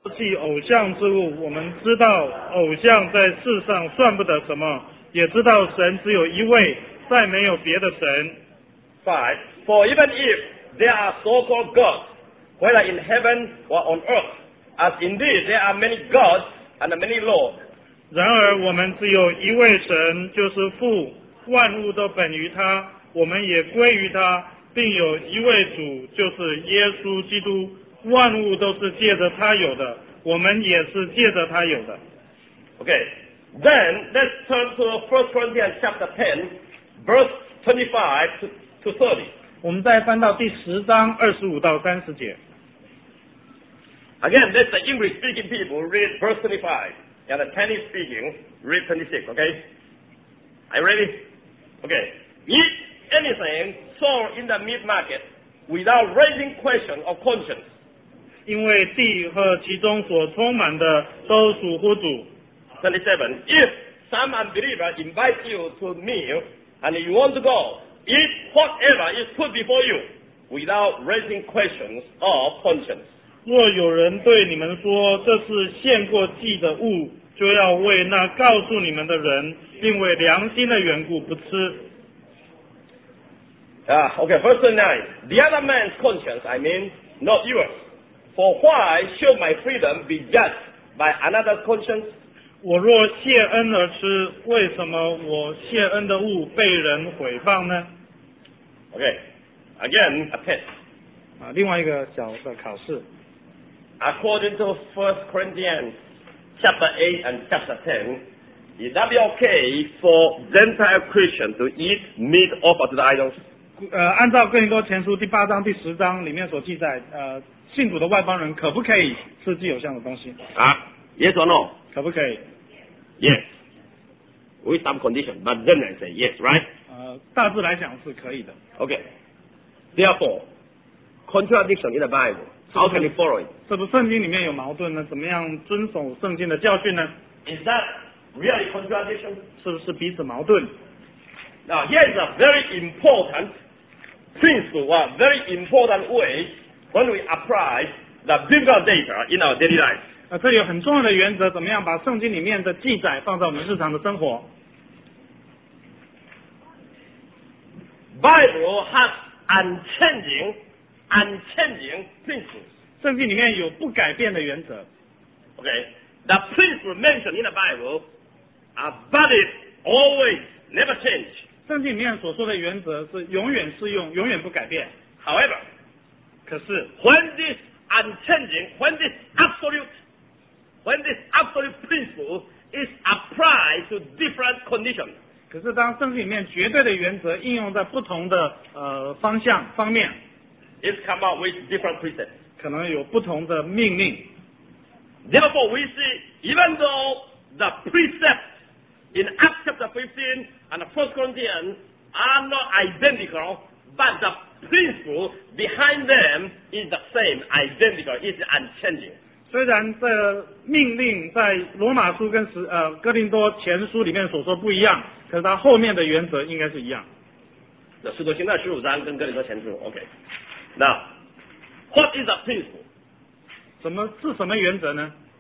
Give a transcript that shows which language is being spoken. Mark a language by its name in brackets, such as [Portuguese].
[Chinese] 弃偶像之物，我们知道偶像在世上算不得什么，也知道神只有一位，再没有别的神。 5. [English] For even if there are so-called gods, whether in heaven or on earth, as indeed there are many gods and many lords. [Chinese] 然而我们只有一位神，就是父，万物都本于他，我们也归于他，并有一位主，就是耶稣基督，万物都是借着他有的，我们也是借着他有的。 [English] Okay, then let's turn to 1 Corinthians chapter 10, verse 25 to 30. [Chinese] 我们再翻到第十章25到30节。 [English] Again, let the English speaking people read verse 25 and the Chinese speaking read 26, okay? Are you ready? Okay, eat anything sold in the meat market without raising question of conscience. [Chinese] 因为地和其中所充满的都属乎主。 27. [English] If some unbeliever invites you to a meal and you want to go, eat whatever is put before you without raising questions of conscience. [Chinese] 若有人对你们说这是献过祭的物，就要为那告诉你们的人因为良心的缘故不吃。 [English] Okay, verse 29. The other man's conscience, I mean, not yours. For why should my freedom be judged by another's conscience? [Chinese] 我若谢恩而吃，为什么我谢恩的物被人毁谤呢？ [English] Okay, again, a test. [Chinese] 另外一个小的考试。 [English] According to 1 Corinthians chapter 8 and chapter 10, is that okay for Gentile Christians to eat meat offered to the idols? [Chinese] 按照哥林多前书第八章第十章里面所记载，信主的外邦人可不可以吃祭偶像的东西？ [English] Yes or no? [Chinese] 可不可以？ [English] Yes. With some condition, but then I say yes, right? [Chinese] 大致来讲是可以的。 [English] Okay. Therefore, contradiction in the Bible. How can you follow it? [Chinese] 是不是圣经里面有矛盾呢？怎么样遵守圣经的教训呢？ [English] Is that really contradiction? [Chinese] 是不是彼此矛盾？ [English] Now, here's a very important principle, a very important way. When we apply the biblical data in our daily life. [Chinese] 这有很重要的原则，怎么样把圣经里面的记载放在我们日常的生活。 [English] Bible has unchanging principles. [Chinese] 圣经里面有不改变的原则。 [English] Okay, the principles mentioned in the Bible are valid, always, never change. [Chinese] 圣经里面所说的原则是永远适用，永远不改变。 [English] However, [Chinese] 可是 [English] when this unchanging, when this absolute principle is applied to different conditions, [Chinese] 可是当圣经里面绝对的原则应用在不同的方向方面， [English] it come out with different precepts, [Chinese] 可能有不同的命令。 [English] Therefore we see even though the precepts in Acts chapter 15 and 1 Corinthians are not identical, but theprinciple behind them is the same, identical, is unchanging. [Chinese] 虽然这命令在罗马书跟哥林多前书里面所说不一样，可是它后面的原则应该是一样。那使徒行传15章跟哥林多前书 ，OK. [English] Now, what is the principle? [Chinese] 什么原则呢